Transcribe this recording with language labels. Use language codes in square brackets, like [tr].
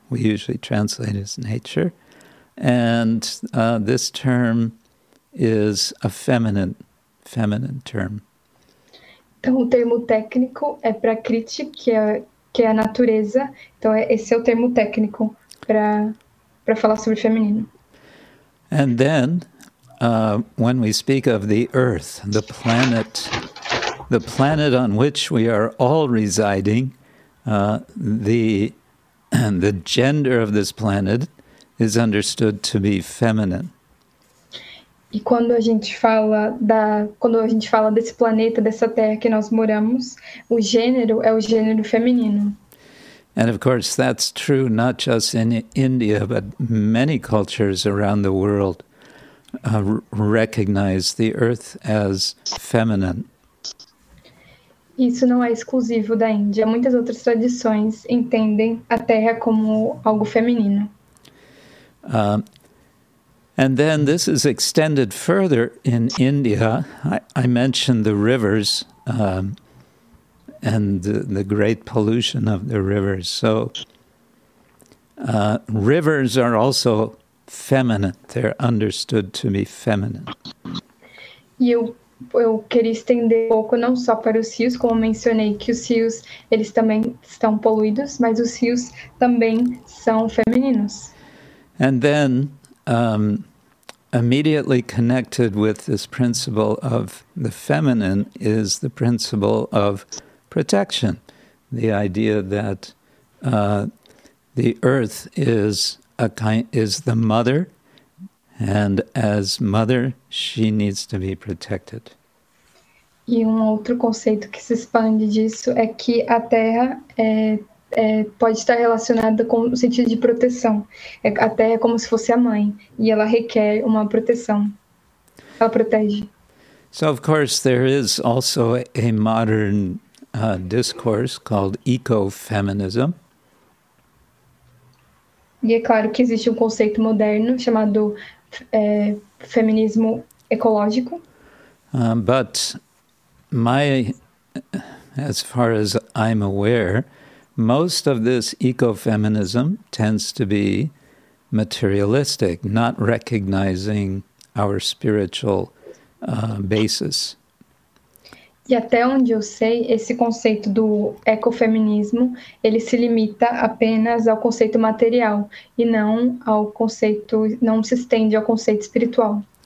[en] We usually translate it as nature. And this term is a feminine term. [pt] Então, o termo técnico é prakriti, que é que é a natureza. Então, esse é o termo técnico para falar sobre o feminino. [en] And then, when we speak of the earth, the planet on which we are all residing, the gender of this planet is understood to be feminine. [pt] E quando a gente fala desse planeta, dessa terra que nós moramos, o gênero é o gênero feminino. [en] And of course that's true not just in India, but many cultures around the world recognize the earth as feminine. [pt] Isso não é exclusivo da Índia. Muitas outras tradições entendem a terra como algo feminino. [en] And then this is extended further in India. I mentioned the rivers and the great pollution of the rivers. So rivers are also feminine. They're understood to be feminine. [pt] Eu queria estender um pouco, não só para os rios, como mencionei que os rios, eles também estão poluídos, mas os rios também são femininos. [en] And then, immediately connected with this principle of the feminine is the principle of protection. The idea that the earth is a kind, is the mother, and as mother, she needs to be protected. [pt] E um outro conceito que se expande disso é que a terra pode estar relacionada com o sentido de proteção. A terra é como se fosse a mãe e ela requer uma proteção. Ela protege. [en] So, of course, there is also a modern discourse called ecofeminism. [pt] E é claro que existe um conceito moderno chamado feminismo ecológico. [en] But my, as far as I'm aware, most of this ecofeminism tends to be materialistic, not recognizing our spiritual basis. [pt] E até onde eu sei, esse conceito do ecofeminismo, ele se limita apenas ao conceito material e não ao conceito, não se estende ao conceito espiritual.